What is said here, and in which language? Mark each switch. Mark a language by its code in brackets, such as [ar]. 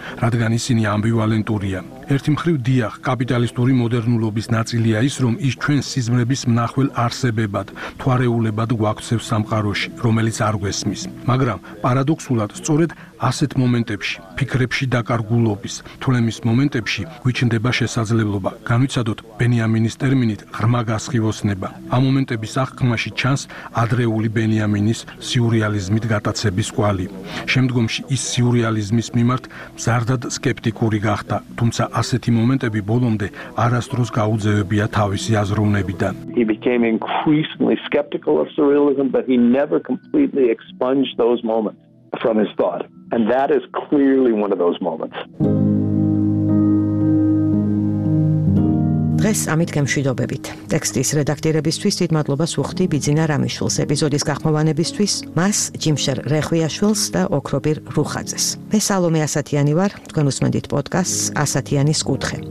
[ka] რადგან ისინი ამბივალენტურია ერთი მხრივ დიახ კაპიტალისტური მოდერნულობის ნაწილია ის რომ ის ჩვენ სიზმრების მნახველ არსებებად თვარეულებად გვაქცევს სამყაროში რომელიც არ გვესმის მაგრამ პარადოქსულად სწორედ ასეთ მომენტებში ფიქრებში დაკარგულობის თვლემის მომენტებში გვიჩნდება შესაძლებლობა განვიცადოთ ბენიამინის ტერმინით ღრმა გასხივოსნება ამ მომენტების აღქმაში ჩანს ადრეული ბენიამინის სიურეალიზმით გატაცების კვალი. შემდგომში ის სიურეალიზმის მიმართ მზარდად სკეპტიკური გახდა, თუმცა ასეთი მომენტები ბოლომდე არასდროს გაუძევებია თავისი აზროვნებიდან. [en] He became increasingly skeptical of surrealism, but he never completely expunged those moments from his thought. And that is clearly one of those moments. [ka] დღეს ამით გემშვიდობებით. ტექსტის რედაქტირებისთვის დიდ მადლობას ვუხდი ბიძინა რამიშვილს, ეპიზოდის გახმოვანებისთვის, მას ჯიმშერ რეხვიაშვილს და ოქრობირ რუხაძეს. მე სალომე ასათიანი ვარ, თქვენ უსმენთ პოდკასტს ასათიანის კუთხე.